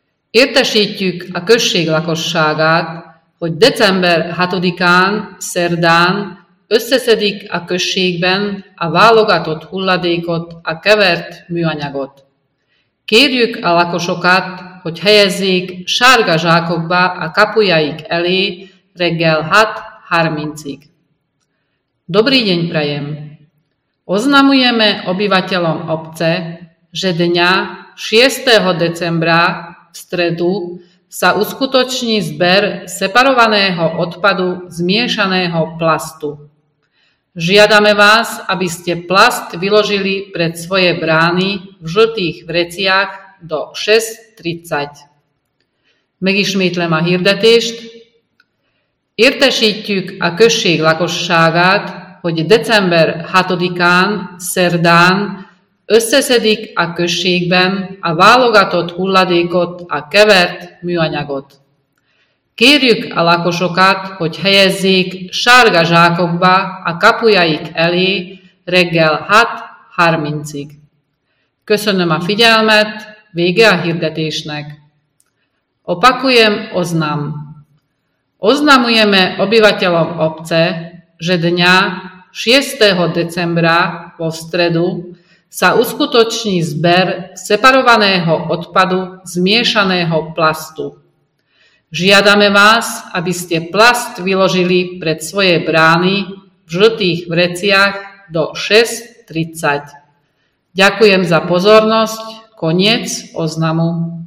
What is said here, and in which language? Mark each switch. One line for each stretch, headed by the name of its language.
Hungarian: Értesítjük a község lakosságát, hogy december 6-án, szerdán összeszedik a községben a válogatott hulladékot, a kevert műanyagot. Kérjük a lakosokat, hogy helyezzék sárga zsákokba a kapujaik elé reggel 6:30-ig.
Slovak: Dobrý deň prajem! Oznamujeme obyvateľom obce, že dňa 6. decembra v stredu sa uskutoční zber separovaného odpadu zmiešaného plastu. Žiadame vás, aby ste plast vyložili pred svoje brány v žltých vreciach do 6:30.
Hungarian: Megismétlem a hirdetést. Értesítjük a község lakosságát, hogy december 6-án, szerdán, összeszedik a községben a válogatott hulladékot, a kevert műanyagot. Kérjük a lakosokat, hogy helyezzék sárga zsákokba a kapujaik elé reggel 6:30-ig. Köszönöm a figyelmet, vége a hirdetésnek.
Slovak: Opakujem oznam. Oznamujeme obyvateľom obce, že dňa 6. decembra vo stredu sa uskutoční zber separovaného odpadu zmiešaného plastu. Žiadame vás, aby ste plast vyložili pred svoje brány v žltých vreciach do 6:30. Ďakujem za pozornosť. Koniec oznamu.